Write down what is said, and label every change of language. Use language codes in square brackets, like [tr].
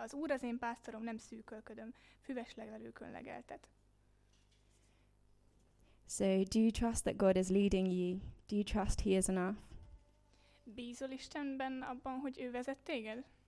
[hu] Az Úr az én pásztorom, nem szűkölködöm, füves legelőkön legeltet. [en] So, do you trust that God is leading you? Do you trust he is enough? [hu] Bízol Istenben abban, hogy ő vezet téged?